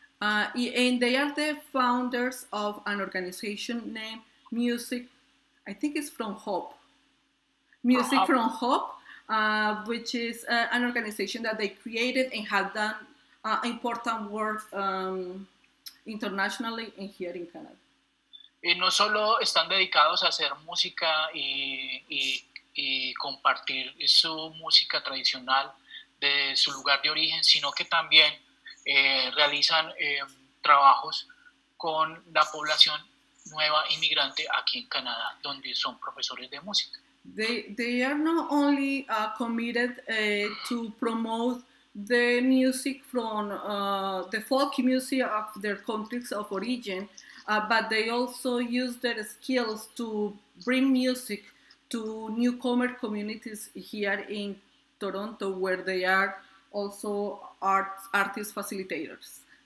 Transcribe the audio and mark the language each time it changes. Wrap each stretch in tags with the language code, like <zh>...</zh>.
<en>And they are the founders of an organization named Music, I think it's from Hope. Music from Hope, which is an organization that they created and have done important work internationally and here in Canada.</en> <es>Y no solo están dedicados a hacer música y compartir su música tradicional de su lugar de origen, sino que también realizan trabajos con la población nueva inmigrante aquí en Canadá, donde son profesores de música.</es> <en>They are not only committed to promote the music from the folk music of their countries of origin, but they also use their skills to bring music to newcomer communities here in Toronto, where they are also artist facilitators.</en>